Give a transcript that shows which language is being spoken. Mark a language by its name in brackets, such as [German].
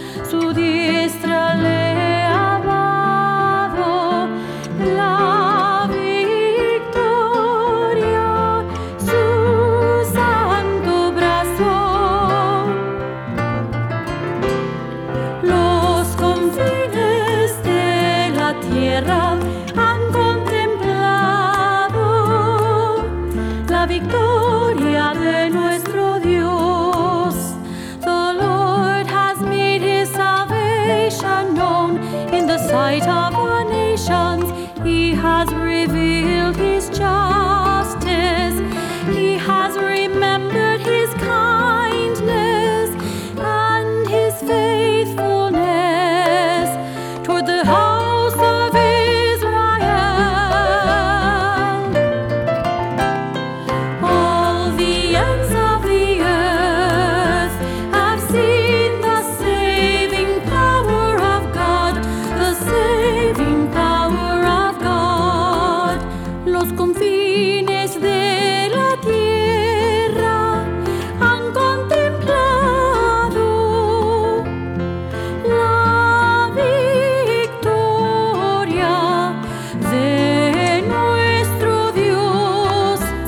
[Spanish] Su diestra le ha dado la victoria, su santo brazo. Los confines de la tierra han contemplado la victoria de nuestro Dios. [English] The Lord has made his salvation known in the sight of the nations. He has revealed his justice. He has remembered his kindness and his faithfulness toward the house of Israel. All the ends of the earth have seen the saving power of God, the saving power of God. [Spanish] Los confines de la tierra han contemplado la victoria de nuestro Dios.